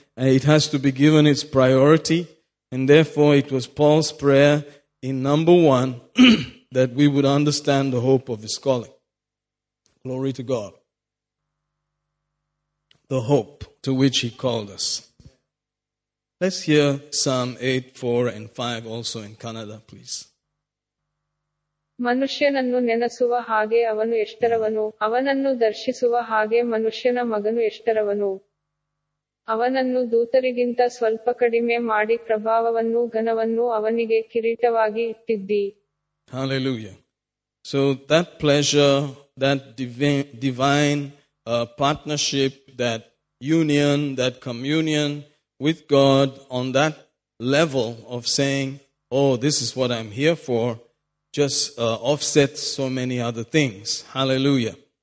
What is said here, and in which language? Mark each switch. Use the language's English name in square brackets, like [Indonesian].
[English] It has to be given its priority. And therefore, it was Paul's prayer in number one that we would understand the hope of his calling. Glory to God. The hope to which he called us. Let's hear Psalm 8, 4, and 5 also in Kannada, please. [Kannada] ಮನುಷ್ಯನನ್ನು ನೆನೆಸುವ ಹಾಗೆ ಅವನು ಎಷ್ಟರವನು, ಅವನನ್ನು ದರ್ಶಿಸುವ ಹಾಗೆ ಮನುಷ್ಯನ ಮಗನು ಎಷ್ಟರವನು. ಅವನನ್ನು ದೂತರಿಗಿಂತ ಸ್ವಲ್ಪ ಕಡಿಮೆ ಮಾಡಿ ಪ್ರಭಾವವನ್ನು ಘನವನ್ನು ಅವನಿಗೆ ಕಿರೀಟವಾಗಿ ಇಟ್ಟಿದ್ದಿ. [English] Hallelujah. So that pleasure, that divine partnership, that union, that communion with God on that level of saying, oh, this is what I'm here for, just offsets so many other things. Hallelujah.